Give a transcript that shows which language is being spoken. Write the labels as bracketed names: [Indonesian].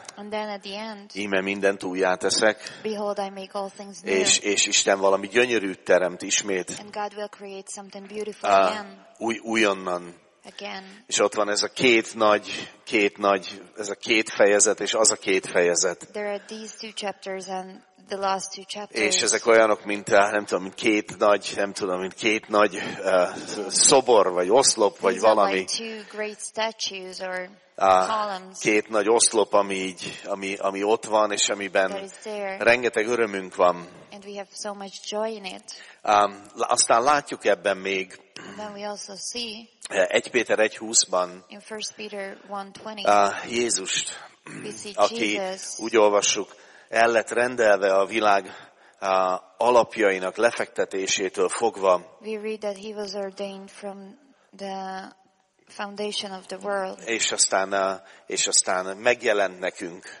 [English] and then at the end, [Hungarian] íme mindent újjá teszek, [English] behold, I make all things new, [Hungarian] és Isten valami gyönyörűt teremt ismét, [English] and God will create something beautiful again, [Hungarian] újonnan. [English] Again. [Hungarian] És ott van ez a két nagy, ez a két fejezet, és az a két fejezet. [English] There are these two chapters and the last two chapters. [Hungarian] És ezek olyanok, mint nem tudom, mint két nagy szobor, vagy oszlop, vagy [English] these [Hungarian] valami. [English] Like two great statues or columns. [Hungarian] Két nagy oszlop, ami ott van, és amiben rengeteg örömünk van. [English] And we have so much joy in it. [Hungarian] Aztán látjuk ebben még. [English] Then we also see. [Hungarian] 1 Péter 1:20-ban. [English] In 1 Peter 1:20. [Hungarian] Jézust. [English] We see Jesus. [Hungarian] Aki úgy olvassuk, el lett rendelve a világ alapjainak lefektetésétől fogva. [English] We read that he was ordained from the foundation of the world. [Hungarian] És aztán megjelent nekünk.